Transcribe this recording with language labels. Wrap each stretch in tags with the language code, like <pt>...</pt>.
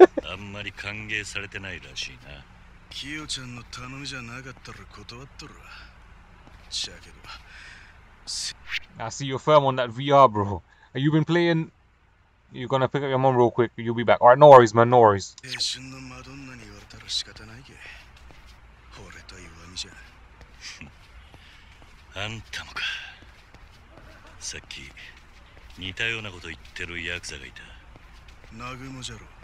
<ja>あんまり歓迎されてないらしいな。キヨちゃんの頼みじゃなかったら断っとるわ。じゃけど。</ja> <en>I see you're firm on that VR, bro. You've been playing. You're gonna pick up your mom real quick. You'll be back. All right, no worries, man. No worries.</en> <ja>青春のマドンナに言われたら仕方ないけ。惚れた弱みじゃ。あんたもか。さっき似たようなこと言ってるヤクザがいた。ナグモじゃろ。</ja>